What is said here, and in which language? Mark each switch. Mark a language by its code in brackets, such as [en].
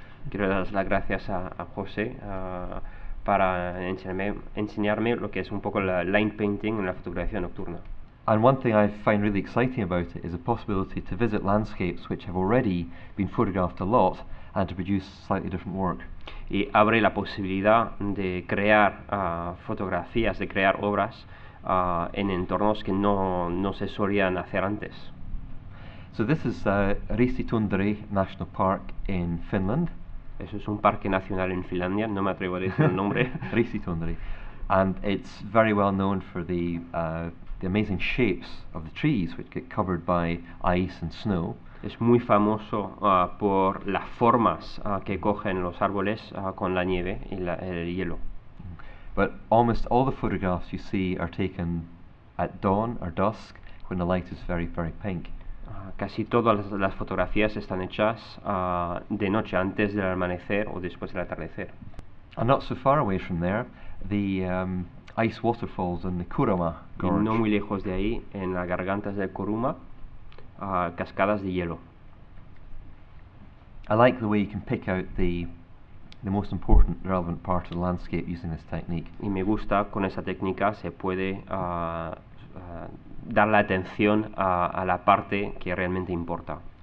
[es] Quiero dar las gracias a José para enseñarme lo que es un poco la [en] light painting, [es] la fotografía nocturna. [en] And one thing I find really exciting about it is the possibility to visit landscapes which have already been photographed a lot and to produce slightly different work. [es] Y abre la posibilidad de crear fotografías, de crear obras en entornos que no se solían hacer antes. [en] So this is Risti-Tundri National Park in Finland. [es] Eso es un parque nacional en Finlandia, no me atrevo a decir el nombre. Risti-Tundri. [en] And it's very well known for the amazing shapes of the trees which get covered by ice and snow. [es] Es muy famoso por las formas que cogen los árboles con la nieve y el hielo. [en] But almost all the photographs you see are taken at dawn or dusk when the light is very, very pink. [es] Casi todas las fotografías están hechas de noche, antes del amanecer o después del atardecer. [en] And not so far away from there, the ice waterfalls in the Kuruma Gorge. [es] Y no muy lejos de ahí, en las gargantas del Kuruma, cascadas de hielo. [en] I like the way you can pick out the most important relevant part of the landscape using this technique. [es] Y me gusta con esa técnica se puede dar la atención a la parte que realmente importa.